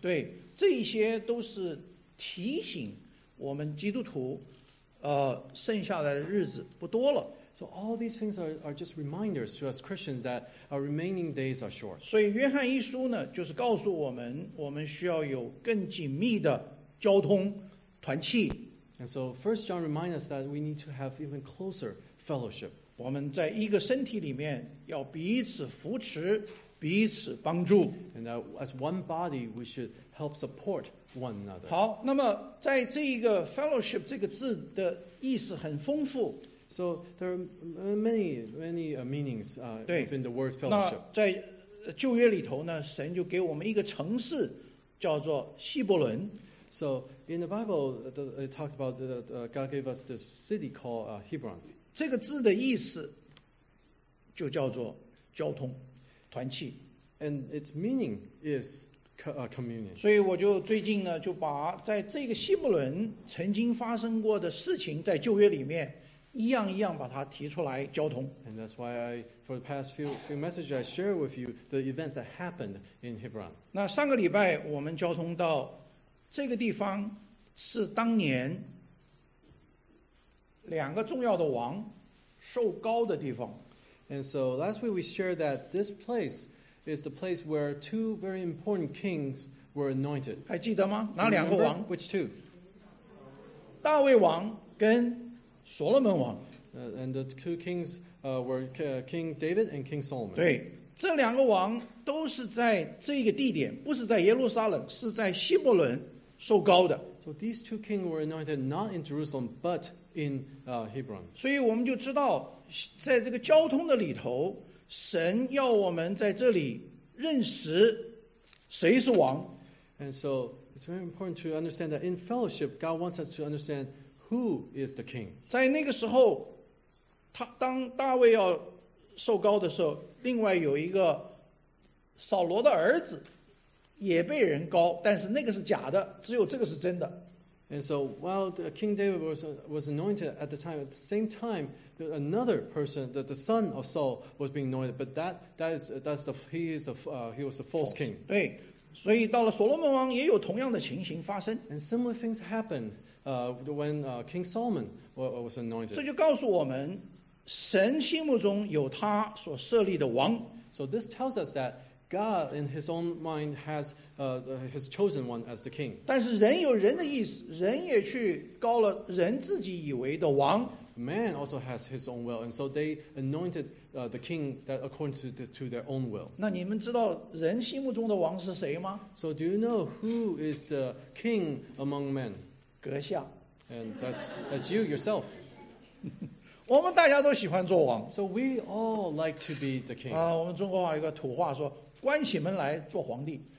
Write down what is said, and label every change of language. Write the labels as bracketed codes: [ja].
[zh] 对，这一些都是提醒我们基督徒，剩下来的日子不多了。 [en] So all these things are just reminders to us Christians that our remaining days are short. [zh] 所以约翰一书呢，就是告诉我们，我们需要有更紧密的交通团契。 [en] And so First John reminds us that we need to have even closer fellowship. [zh] 我们在一个身体里面要彼此扶持，彼此帮助。 [en] And that as one body, we should help support one another. [zh] 好，那么在这一个 fellowship 这个字的意思很丰富。 [en] So there are many, many meanings within the word fellowship. [zh] 那在旧约里头呢，神就给我们一个城市，叫做希伯伦。 [en] So in the Bible, it talked about God gave us this city called Hebron. [zh] 这个字的意思就叫做交通、团契。 [en] And its meaning is communion. [zh] 所以我就最近呢，就把在这个希伯伦曾经发生过的事情在旧约里面一样一样把它提出来交通。 [en] And that's why I, for the past few messages, I share with you the events that happened in Hebron. [zh] 那上个礼拜我们交通到这个地方是当年两个重要的王受膏的地方。 [en] And so last week we shared that this place is the place where two very important kings were anointed. [zh] 还记得吗？哪两个王？ [en] Which two? [zh] 大卫王跟所罗门王。 [en] And the two kings were King David and King Solomon. [zh] 对，这两个王都是在这个地点，不是在耶路撒冷，是在希伯伦。受膏的。 [en] So these two kings were anointed not in Jerusalem, but in Hebron. [zh] 所以我们就知道，在这个交通的里头，神要我们在这里认识谁是王。 [en] And so it's very important to understand that in fellowship, God wants us to understand who is the king. [zh] 在那个时候，当大卫要受膏的时候，另外有一个扫罗的儿子也被人膏，但是那个是假的，只有这个是真的。 [en] And so while King David was anointed at the time, at the same time, another person, the son of Saul, was being anointed. But he was the false king. [zh] 对，所以到了所罗门王也有同样的情形发生。 [en] And similar things happened when King Solomon was anointed. [zh] 这就告诉我们，神心目中有他所设立的王。 [en] So this tells us that God, in his own mind, has his chosen one as the king. [zh] 但是人有人的意思，人也去告了人自己以为的王。 [en] Man also has his own will, and so they anointed the king that according to their own will. [zh] 那你们知道人心目中的王是谁吗？ [en] So do you know who is the king among men? [zh] 阁下。 [en] And that's you, yourself. [zh] 我们大家都喜欢做王。 [en] So we all like to be the king. [zh] 我们中国话有一个土话说关起门来做皇帝。